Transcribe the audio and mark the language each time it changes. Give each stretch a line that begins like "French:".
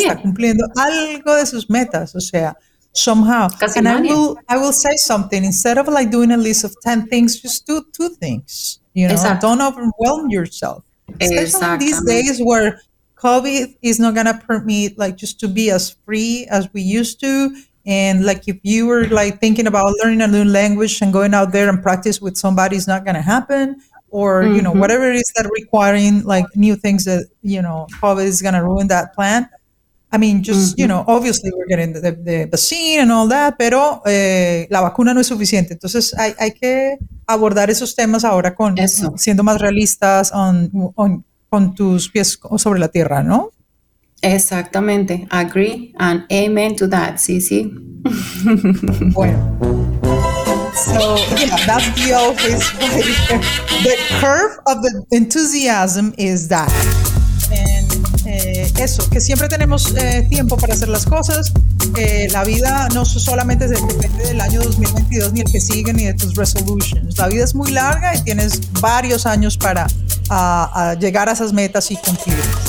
Spanish: que está cumpliendo algo de sus metas, o sea, somehow. Casi
English: and
Spanish: nadie.
English: I will say something, instead of like doing a list of 10 things, just do 2 things, you know.
Spanish: Exacto.
English: Don't overwhelm yourself. Especially these days where COVID is not going to permit like just to be as free as we used to. And like if you were like thinking about learning a new language and going out there and practice with somebody, it's not going to happen. Or, you know, whatever it is that requiring like new things that, you know, COVID is going to ruin that plan. I mean, just, you know, obviously we're getting the vaccine and all that,
Spanish: pero la vacuna no es suficiente. Entonces hay que abordar esos temas ahora con eso, siendo más realistas on con tus pies sobre la tierra, ¿no?
English: Exactamente, agree and amen to that, sí. Bueno, so yeah, that's the office. The curve of the enthusiasm is that.
Spanish: And eso, que siempre tenemos tiempo para hacer las cosas. La vida no solamente depende del año 2022 ni el que sigue ni de tus resolutions. La vida es muy larga y tienes varios años para a llegar a esas metas y cumplirlas.